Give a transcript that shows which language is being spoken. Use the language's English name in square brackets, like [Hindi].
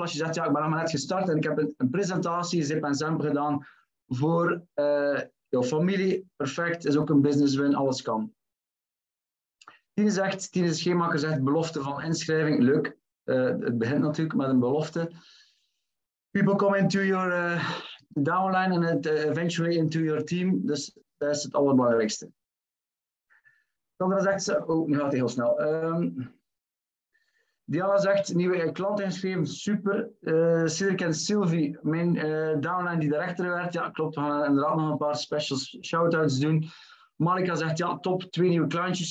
[Dutch] Als je zegt, ja, ik ben allemaal net gestart en ik heb een presentatie, Zip en Zample gedaan voor jouw familie. Perfect, is ook een business win, alles kan. Tine zegt, Tine Schemaker zegt, belofte van inschrijving. Leuk, het begint natuurlijk met een belofte. [English] People come into your downline and eventually into your team. [Dutch] Dus dat is het allerbelangrijkste. Sandra zegt, oh, nu gaat hij heel snel. Diana zegt, nieuwe klant ingeschreven, super. Cedric en Sylvie, mijn downline die de rechter werd. Ja, klopt, we gaan inderdaad nog een paar special shout-outs doen. Malika zegt, ja, top, twee nieuwe klantjes.